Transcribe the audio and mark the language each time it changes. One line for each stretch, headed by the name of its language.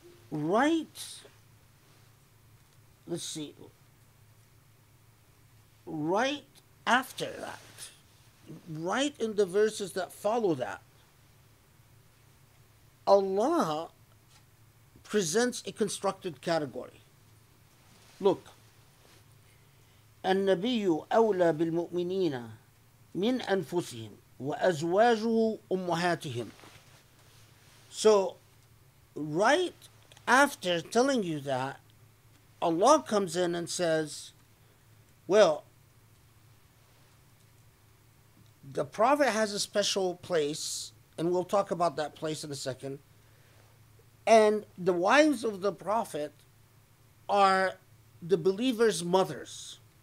English: Right, let's see, right after that, right in the verses that follow that, Allah presents a constructed category.
Arabic: Look, النبي أولى بالمؤمنين من أنفسهم وأزواجه أمهاتهم.
English: So, right after telling you that, Allah comes in and says, well, the Prophet has a special place, and we'll talk about that place in a second, and the wives of the Prophet are the believers' mothers.